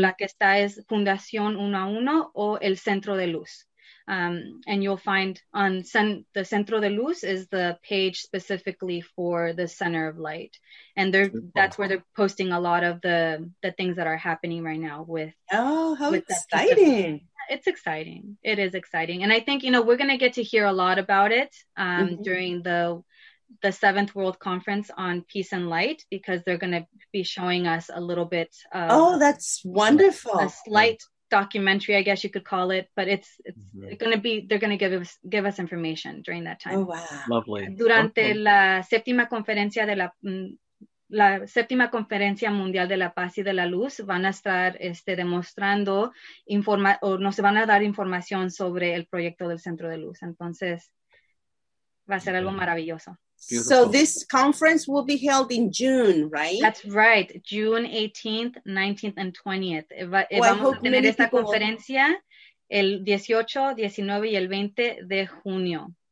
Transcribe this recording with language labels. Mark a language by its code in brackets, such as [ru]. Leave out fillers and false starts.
[es] la que está es Fundación 1 a 1 o el Centro de Luz. [en] And you'll find on the Centro de Luz is the page specifically for the Center of Light. And they're, that's where they're posting a lot of the things that are happening right now with. Oh, how with exciting. It's exciting. It is exciting. And I think, you know, we're going to get to hear a lot about it mm-hmm. during the 7th World Conference on Peace and Light, because they're going to be showing us a little bit. Oh, that's wonderful. A slight. Yeah. documentary, I guess you could call it, but it's mm-hmm. going to be, they're going to give us information during that time. Oh, wow. Lovely. [es] Durante okay. la séptima conferencia de la séptima conferencia mundial de la paz y de la luz, van a estar demostrando nos van a dar información sobre el proyecto del Centro de Luz. Entonces, va a ser algo maravilloso. [en] Beautiful. So this conference will be held in June, right? That's right. June 18th, 19th, and 20th. [es] Vamos a tener esta conferencia el 18, 19, y el 20 de junio.